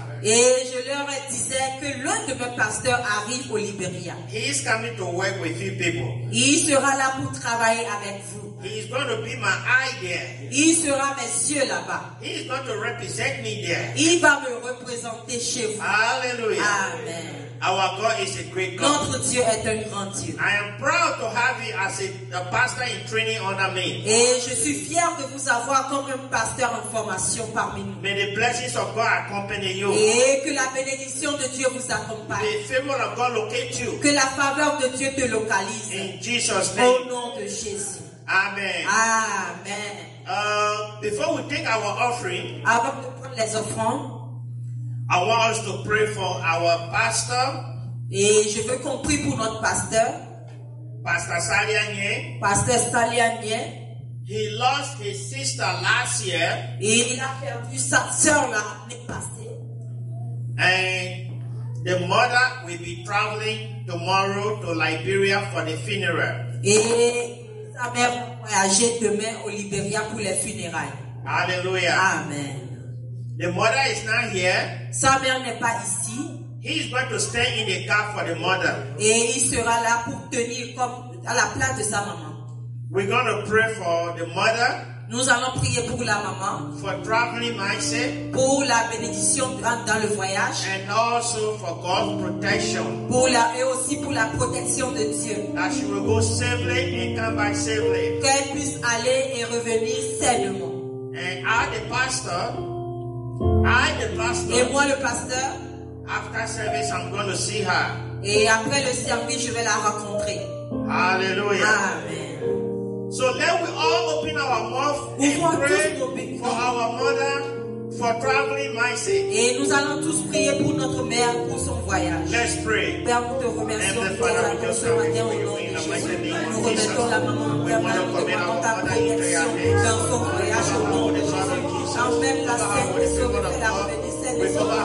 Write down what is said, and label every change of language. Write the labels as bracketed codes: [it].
[fr] Et je leur disais que l'un de mes pasteurs arrive au Liberia. [en] He is coming to work with you people. [fr] Il sera là pour travailler avec vous. [en] He is going to be my eye there. [fr] Il sera mes yeux là-bas. [en] He is going to represent me there. [fr] Il va me représenter chez vous. [en] Hallelujah. Amen. Our God is a great God. [fr] Notre Dieu est un grand Dieu. [en] I am proud to have you as a pastor in training under me. [fr] Et je suis fier de vous avoir comme un pasteur en formation parmi nous. [en] May the blessings of God accompany you. [fr] Et que la bénédiction de Dieu vous accompagne. [en] May the favor of God locate you. [fr] Que la faveur de Dieu te localise. [en] In Jesus' name. [fr] Au nom de Jésus. Amen. Amen. [en] Before we take our offering, [fr] avant de prendre les offrandes, [en] I want us to pray for our pastor. [fr] Et je veux qu'on prie pour notre pasteur. [en] Pastor Saliagne. [fr] Pasteur Saliagne. [en] He lost his sister last year. [fr] Et il a perdu sa sœur l'année passée. [en] And the mother will be traveling tomorrow to Liberia for the funeral. [fr] Et sa mère va voyager demain au Liberia pour les funérailles. [en] Hallelujah. Amen. The mother is not here. [fr] Sa mère n'est pas ici. [en] He is going to stay in the car for the mother. [fr] Et il sera là pour tenir comme à la place de sa maman. [en] We're going to pray for the mother. [fr] Nous allons prier pour la maman. [en] For traveling mindset. [fr] Pour la bénédiction dans le voyage. [en] And also for God's protection. [fr] Et aussi pour la protection de Dieu. [en] That she will go safely and come back safely. [fr] Qu'elle puisse aller et revenir sainement. [en] And I, the pastor. [fr] Et moi, le pasteur. [en] After service, I'm going to see her. [fr] Et après le service, je vais la rencontrer. [en] Hallelujah. Amen. So let we all open our mouth and pray for our mother for traveling mindset. [fr] Et nous allons tous prier pour notre mère pour son voyage. [en] Let's pray. [fr] Père, nous te remercions pour ta grâce ce matin au nom de Jésus. Nous remettons la maman de Marie de prendre ta protection dans son voyage au nom de Jésus. En même la scène de ce que la